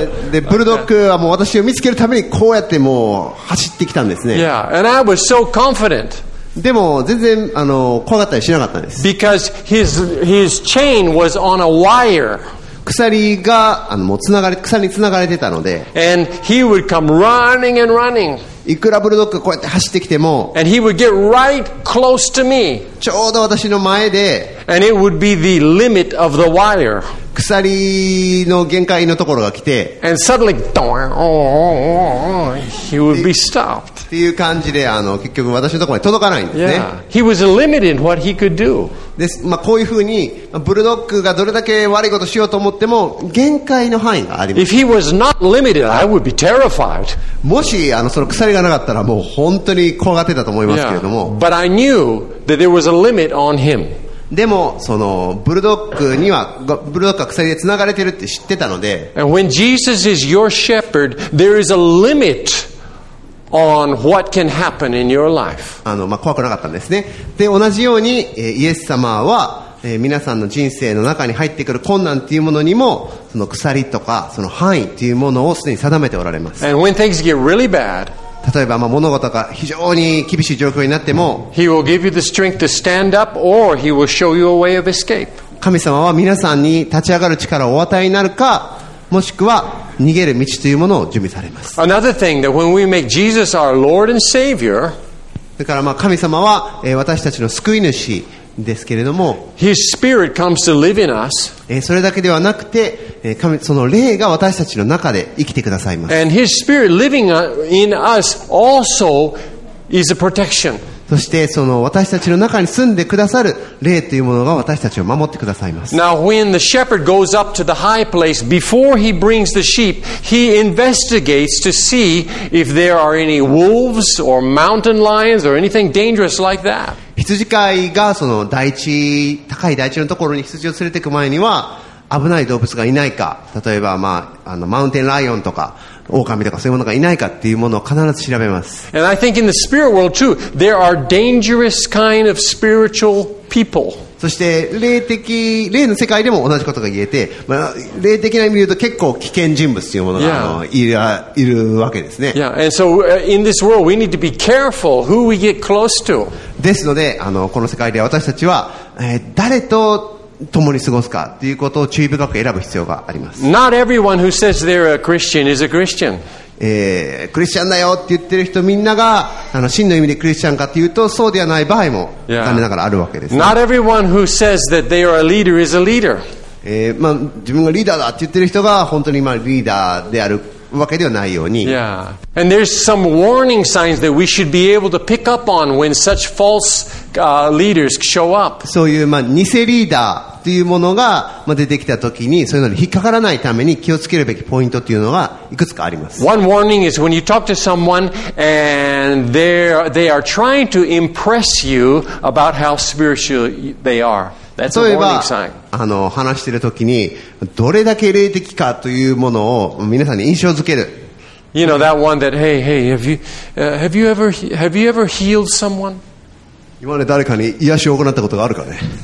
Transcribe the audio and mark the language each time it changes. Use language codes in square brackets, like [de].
[ja] で、ブルドッグはもう私を見つけるためにこうやってもう走ってきたんですね。 [en] Yeah, and I was so confident. [ja] でも全然怖かったりしなかったんです。 [en] Because his chain was on a wire. [ja] 鎖がもう鎖につながれてたので、 [en] and he would come running and running. [ja] いくらブルドッグがこうやって走ってきても、 [en] and he would get right close to me. [ja] ちょうど私の前で、 [en] and it would be the limit of the wire. [ja] 鎖の限界のところが来て、 [en] and suddenly, he would be stopped. [ja] っていう感じで結局私のところに届かないんですね。 [en] Yeah. He was limited in what he could do. [ja] です、まあ、こういうふうにブルドッグがどれだけ悪いことをしようと思っても限界の範囲があります。 [en] If he was not limited, I would be terrified. [ja] もしその鎖がなかったらもう本当に怖がってたと思いますけれども、 [en] But I knew that there was a limit on him. [ja] でもそのブルドッグにはブルドッグは鎖でつながれてるって知ってたので、 [en] And when Jesus is your shepherd, there is a limitOn what can happen in your life. [ja] 怖くなかったんですね。で、同じようにイエス様は皆さんの人生の中に入ってくる困難というものにも、その鎖とかその範囲というものをすでに定めておられます。 [en] And when things get really bad, [ja] 例えば物事が非常に厳しい状況になっても、 [en] He will give you the strength to stand up, or He will show you a way of escape. [ja] 神様は皆さんに立ち上がる力をお与えになるか、もしくは逃げる道というものを準備されます。 [en] Another thing that when we make Jesus our Lord and Savior, [ja] だからまあ神様は私たちの救い主ですけれども、 [en] His Spirit comes to live in us. [ja] それだけではなくて、その霊が私たちの中で生きてくださいます。 [en] And His Spirit living in us also is a protection. [ja] そしてその私たちの中に住んでくださる霊というものが私たちを守ってくださいます。 [en] Now when the shepherd goes up to the high place before he brings the sheep, he investigates to see if there are any wolves or mountain lions or anything dangerous like that. [ja] 羊飼いがその高い台地のところに羊を連れていく前には、危ない動物がいないか、例えば、まあ、マウンテンライオンとか狼とかそういうものがいないかっていうものを必ず調べます。 [en] And I think in the spirit world too, there are dangerous kind of spiritual people. [ja] そして霊の世界でも同じことが言えて、まあ、霊的な意味で言うと結構危険人物というものが、いるわけですね。 [en] Yeah. And so in this world we need to be careful who we get close to. [ja] ですのでこの世界で私たちは、誰と共に過ごすかということを注意深く選ぶ必要があります。 [en] Not everyone who says they're a Christian is a Christian. [ja] クリスチャンだよって言ってる人みんなが真の意味でクリスチャンかというとそうではない場合も残念ながらあるわけです、ね。 [en] Not everyone who says that they are a leader is a leader. [ja] まあ、自分がリーダーだって言ってる人が本当に今リーダーであるわけではないように。 [en] Yeah. And there's some warning signs that we should be able to pick up on when such false leaders show up. [ja] そういう、まあ、偽リーダーというものが、まあ、出てきたときに、そういうのに引っかからないために気をつけるべきポイントというのがいくつかあります。 [en] One warning is when you talk to someone and they are trying to impress you about how spiritual they are. That's a [ja] 例えば、あの話しているときにどれだけ霊的かというものを皆さんに印象付ける。 [en] You know that one that hey hey have you ever healed someone? [ja] 今まで誰かに癒しを行ったことがあるかね。